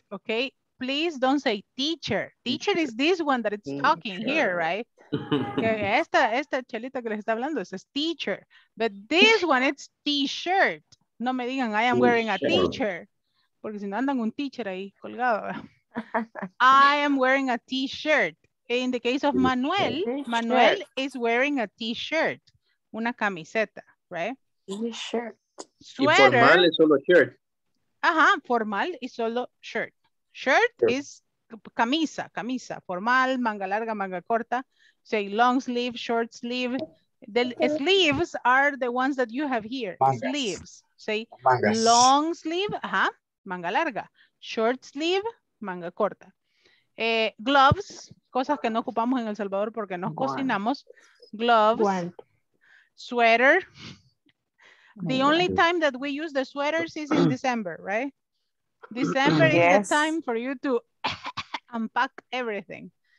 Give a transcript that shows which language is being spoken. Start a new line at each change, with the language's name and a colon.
English: Okay. Please don't say teacher. Teacher is this one that it's talking here, right?
Spanish: Esta chelita que les está hablando es teacher.
English: But this one, it's t-shirt.
Spanish: No me digan,
English: I am wearing a teacher.
Spanish: Porque si no andan un teacher ahí colgado.
English: I am wearing a t-shirt. In the case of Manuel, Manuel is wearing a t-shirt.
Spanish: Una camiseta, right?
English: T-shirt. Sweater. Formal is solo shirt. Ajá, formal is solo shirt. Shirt is camisa, camisa. Formal,
Spanish: manga larga, manga corta.
English: Say long sleeve, short sleeve. The sleeves are the ones that you have here. Mangas. Sleeves. Say mangas. Long sleeve, ajá, manga larga. Short sleeve, manga corta.
Spanish: Gloves, cosas que no ocupamos en El Salvador porque nos cocinamos.
English: Gloves. Sweater. The only time that we use the sweaters is in December, right? December is the time for you to unpack everything.